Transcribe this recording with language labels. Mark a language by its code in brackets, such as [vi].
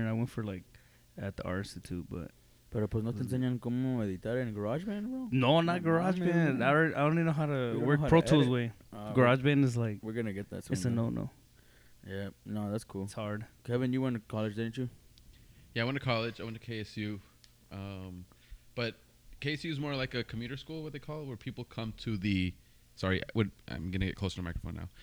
[en] And I went for like at the Art Institute, but. [es] Pero pues no te enseñan cómo editar en GarageBand, bro. [en] No, not GarageBand. I don't even know how to work Pro Tools way. GarageBand is like. We're gonna get that. It's a no-no. Yeah, no, that's cool. It's hard. Kevin, you went to college, didn't you? Yeah, I went to college. I went to KSU, but KSU is more like a commuter school. What they call it, where people come to the. Sorry, I'm going to get closer to the microphone now.